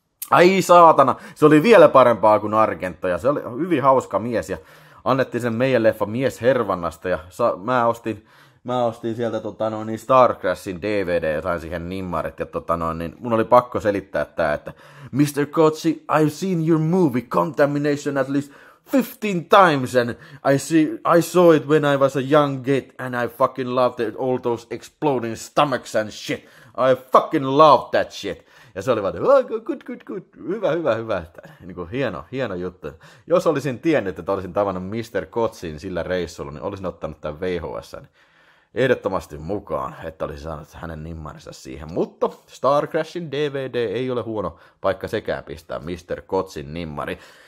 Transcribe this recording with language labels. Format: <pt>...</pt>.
<fi>Ai saatana, se oli vielä parempaa kuin Argento, ja se oli hyvin hauska mies, ja annettiin sen meidän leffa Mies Hervannasta, ja mä ostin sieltä Star Crashin DVD, ja sain siihen nimmarit, ja mun oli pakko selittää tää, että Mr.</fi> <en>Cozzi, I've seen your movie Contamination at least 15 times, and I saw it when I was a young kid, and I fucking loved it, all those exploding stomachs and shit, I fucking loved that shit.</en> <fi>Ja se oli vaan,</fi> <en>oh, good,</en> <fi>hyvä, niin kuin hieno juttu. Jos olisin tiennyt, että olisin tavannut Mr. Cozzin sillä reissulla, niin olisin ottanut tämän VHS ehdottomasti mukaan, että olisin saanut hänen nimmarinsa siihen. Mutta Star Crashin DVD ei ole huono paikka sekään pistää Mr. Cozzin nimmari.</fi>